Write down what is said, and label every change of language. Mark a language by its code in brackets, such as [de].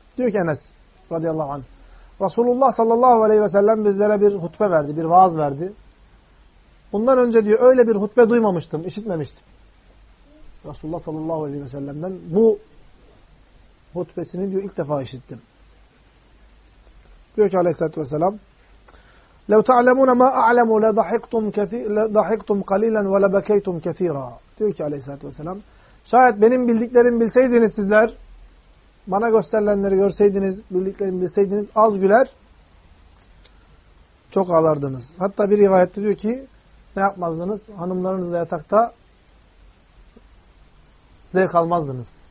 [tr] Diyor ki Enes radıyallahu anh. Resulullah sallallahu aleyhi ve sellem bizlere bir hutbe verdi, bir vaaz verdi. Bundan önce diyor öyle bir hutbe duymamıştım, işitmemiştim. Resulullah sallallahu aleyhi ve sellem'den bu hutbesini diyor ilk defa işittim. Diyor ki aleyhissalatü vesselam. [ar] لَوْ تَعْلَمُونَ مَا أَعْلَمُوا لَضَحِكْتُمْ قَلِيلًا وَلَبَكَيْتُمْ كَثِيرًا [tr] diyor ki aleyhissalatü vesselam. Şayet benim bildiklerimi bilseydiniz sizler, bana gösterilenleri görseydiniz, bildiklerimi bilseydiniz az güler, çok ağlardınız. Hatta bir rivayette diyor ki, ne yapmazdınız? Hanımlarınızla yatakta zevk almazdınız.